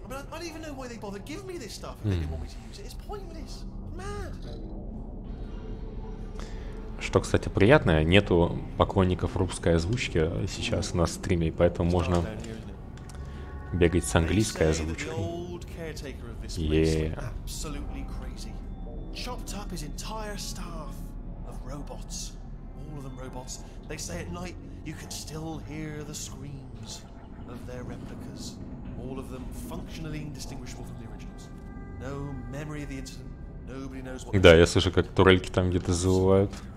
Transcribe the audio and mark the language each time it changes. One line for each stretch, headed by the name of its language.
English: I mean, I don't even know why they bothered giving me this stuff if they didn't want me to use it. It's pointless. Mad.
Russian: Что, кстати, приятное, нету поклонников русской озвучки сейчас на стриме, и поэтому можно бегать с английской озвучкой.
English: Of their replicas, all of them functionally indistinguishable from the originals. No memory of the incident. Nobody knows what.
Russian: Да, я слышу, как турельки там где-то завывают.